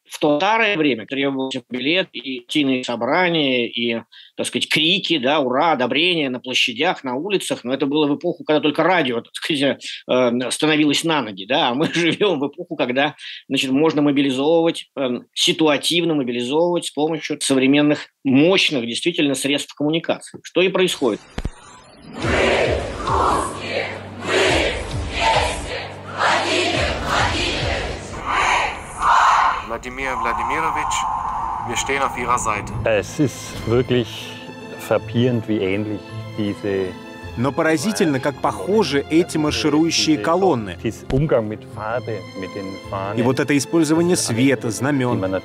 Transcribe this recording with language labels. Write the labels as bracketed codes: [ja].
[ru] В то старое время требовался билет и партийные собрания, и, так сказать, крики, да, ура, одобрения на площадях, на улицах. Но это было в эпоху, когда только радио, так сказать, становилось на ноги, да. А мы живем в эпоху, когда, значит, можно мобилизовывать, ситуативно мобилизовывать с помощью современных, мощных, действительно, средств коммуникации. Что и происходит. [de] Владимир Владимирович, wir stehen auf Ihrer Seite. Es ist wirklich frappierend, wie ähnlich diese. [ru] Но поразительно, как похожи эти марширующие колонны. И вот это использование света, знамен.